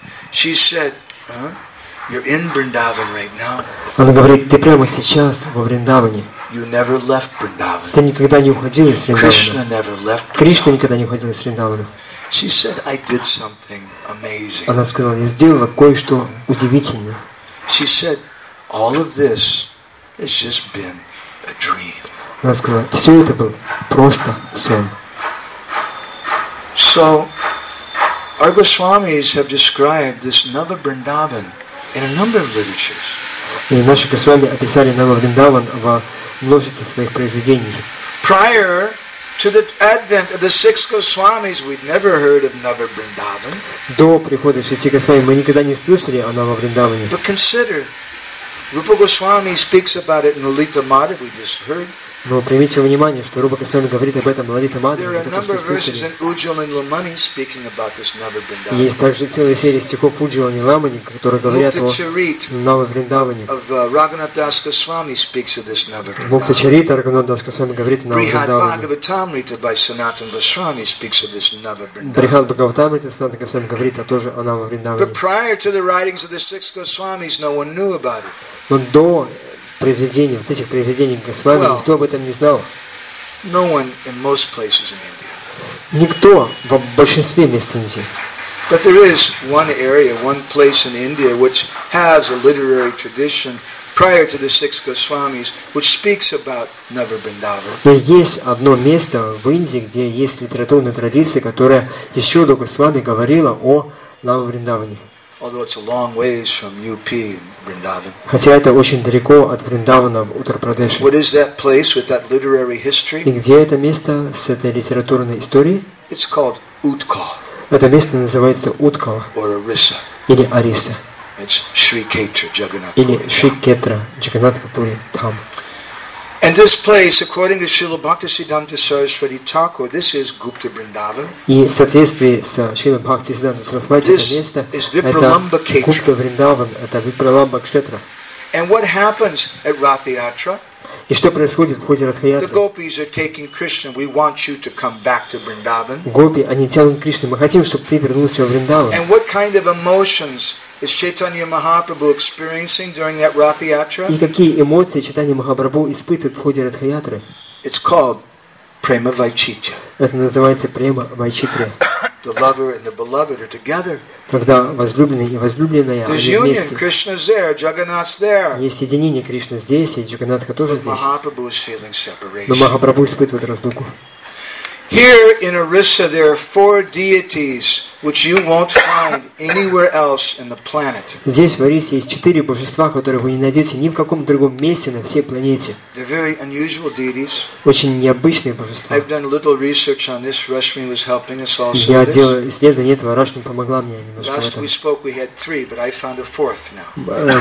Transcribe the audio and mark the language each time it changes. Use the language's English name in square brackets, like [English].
[English] She said, you're in Vrindavan right now. [Russian] Она говорит, ты прямо сейчас во Вриндаване. [English] You never left Vrindavan. [Russian] Ты никогда не уходил из Вриндавана. [English] Krishna never left Vrindavan. [Russian] Кришна никогда не уходил из Вриндавана. [English] She said, I did something amazing. [Russian] Она сказала, я сделала кое-что удивительное. [English] She said, all of this has just been a dream. [Russian] Она сказала, все это был просто сон. [English] So, our Goswamis have described this Nava Vrindavan in a number of literatures. [Russian] И наши Госвами описали Нава Вриндаван во множестве своих произведений. [English] Prior to the advent of the six Goswamis, we'd never heard of Nava Vrindavan. [Russian] До прихода шести Госвами мы никогда не слышали о Нава Вриндаване. [English] But consider. Rupa Goswami speaks about it in Lalita Madhava, we just heard. [Russian] Но примите внимание, что Рупа Госвами говорит об этом в Лалита Мадхаве. [English] There are a number of verses in Ujjal and Lamani speaking about this Nava Vrindavan. [Russian] Есть также целая серия стихов Ujjal and Lamani, которые говорят о Нава Вриндаване. [English] Of Raghunath Das Goswami speaks of this Nava Vrindavan. [Russian] Мукта Чарита Раганат Дас Госвами говорит о Нава Вриндаване. [English] Brihad Bhagavatamrita by Sanatana Goswami speaks of this Nava Vrindavan. [Russian] Brihad Bhagavatamrita Sanatana Goswami говорит о тоже о Нава Вриндаване. [English] But prior to the writings of the six Goswamis, no one knew about it. [Russian] Но до произведений, вот этих произведений Госвами, well, никто об этом не знал. [English] No one in most places in India. [Russian] Никто в большинстве мест Индии. [English] But there is one area, one place in India, which has a literary tradition prior to the six Goswamis, which speaks about Nava Vrindavan. [Russian] Но есть одно место в Индии, где есть литературная традиция, которая еще до Госвами говорила о Нава Вриндаване. [English] Although it's a long ways from UP, Vrindavan. [Russian] Хотя это очень далеко от Вриндавана в Уттар-Прадеше. [English] What is that place with that literary history? [Russian] И где это место с этой литературной историей? [English] It's called Utkal. [Russian] Это место называется Utkal. [English] Or Orissa. [Russian] Или Ориса. [English] It's Shri Ketra Jagannath. [Russian] Или Shri Ketra Jagannath Puri Dham. [English] And And this place, according to Srila Bhaktisiddhanta Saraswati Thakur, this is Gupta Vrindavan. [Russian] И в соответствии с Шрилой Бхактисиддхантой Сарасвати это место это Гупта Вриндаван, это Випраламба Кшетра. [English] And what happens at Ratha Yatra? [Russian] И что происходит в ходе Ратха Ятры? [English] The gopis are taking Krishna. We want you to come back to Vrindavan. [Russian] Гопи, они тянут Кришну. Мы хотим, чтобы ты вернулся в Вриндаван. [English] And what kind of emotions is Chaitanya Mahaprabhu experiencing during that Ratha Yatra? [Russian] И какие эмоции Чайтанья Махапрабху испытывает в ходе Ратха Ятры? [English] It's called prema vaichitya. [Russian] Это называется према вайчитра. [English] The lover and the beloved are together. [Russian] Когда возлюбленный и возлюбленная вместе. Есть единение, Кришна здесь, и Джаганатха тоже здесь. [English] Махапрабху is feeling separation. [Russian] Но Махапрабху испытывает разлуку. [English] Here in Orissa there are four deities which you won't find anywhere else in the planet. [Russian] Здесь в Орисе есть четыре божества, которые вы не найдете ни в каком другом месте на всей планете. [English] They're very unusual deities. [Russian] Очень необычные божества. [English] I've done a little research on this. Rashmi was helping us also. [Russian] Я делал исследование этого, Рашми помогла мне немножко. [English] Last we spoke we had three, but I found a fourth now.